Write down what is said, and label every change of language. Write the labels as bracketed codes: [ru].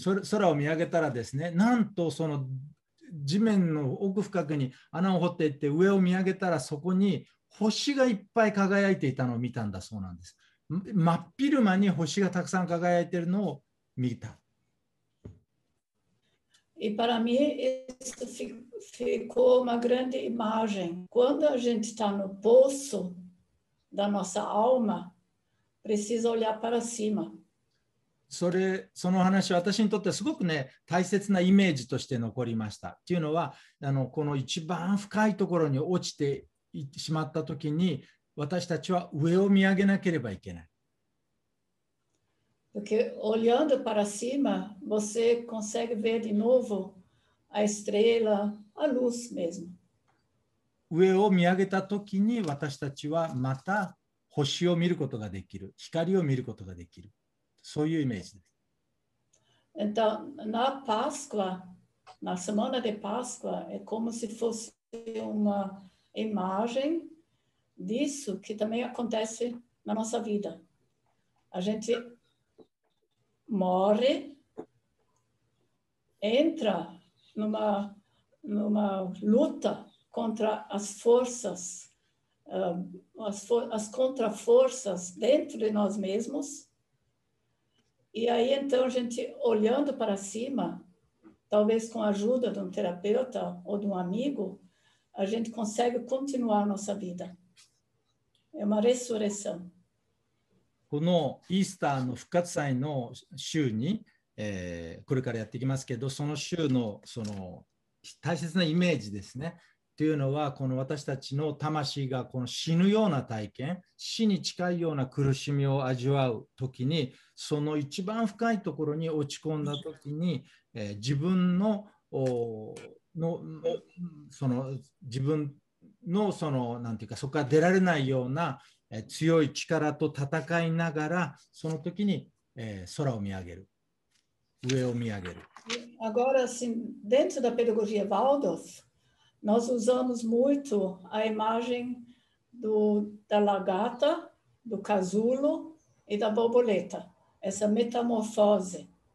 [ja] 空を見上げたらですね、なんとその地面の奥深くに穴を掘っていって上を見上げたらそこに星がいっぱい輝いていたのを見たんだそうなんです。真っ昼間に星がたくさん輝いているのを見た。 [pt] E para mim, isso ficou uma grande imagem. Quando a gente está no poço da nossa alma, precisa olhar para cima. [ja] その話は私にとってすごくね、大切なイメージとして残りました。というのは、この一番深いところに落ちてしまった時に、私たちは上を見上げなければいけない。 [pt] Porque olhando para cima, você consegue ver de novo a estrela, a luz mesmo. [ja] 上を見上げた時に私たちはまた星を見ることができる、光を見ることができる、そういうイメージです。 [pt] Então, na Páscoa, na semana de Páscoa, é como se fosse uma imagem disso que também acontece na nossa vida. A gente morre, entra numa luta contra as forças, as contra-forças dentro de nós mesmos. E aí, então, a gente olhando para cima, talvez com a ajuda de um terapeuta ou de um amigo, a gente consegue continuar nossa vida. É uma ressurreição. [ja] このイースターの復活祭の週に、これからやっていきますけど、その週のその大切なイメージですねというのは、この私たちの魂がこの死ぬような体験、死に近いような苦しみを味わう時に、その一番深いところに落ち込んだ時に、自分のその自分のそのなんていうか、そこから出られないような強い力と戦いながら、その時に、空を見上げる、上を見上げる。 [pt] Agora, assim, dentro da pedagogia Waldorf, nós usamos muito a imagem da lagarta, do casulo e da borboleta, essa metamorfose.